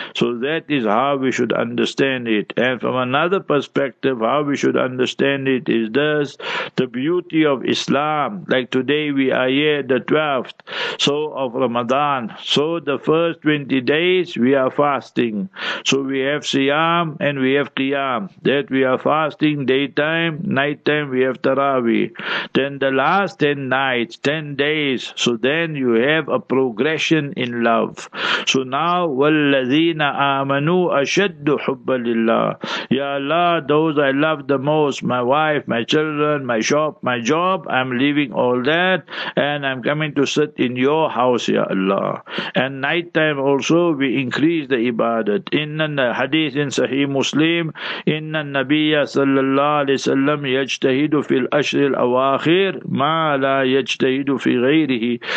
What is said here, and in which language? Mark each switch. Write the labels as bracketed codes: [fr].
[en] So that is how we should understand it. And from another perspective, how we should understand it is this: the beauty of Islam, like today we are here the 12th so of Ramadan, so the first 20 days we are fasting, so we have Siyam and we have Qiyam, that we are fasting daytime, nighttime we have Taraweeh. Then the last 10 nights, 10 days, so then you have a progression in love. So now, [ar] وَالَّذِينَ آمَنُوا أَشَدُّ حُبَّ لِلَّهِ. [en] Ya Allah, those I love the most, my wife, my children, my shop, my job, I'm leaving all that and I'm coming to sit in your house, Ya Allah. And nighttime also, we increase the ibadat. [ar] Inna [en] the hadith in Sahih Muslim, [ar] Inna Nabiya sallallahu alayhi wa sallam yajtahid في الأشر الأواخر ما لا يجتهد في غيره.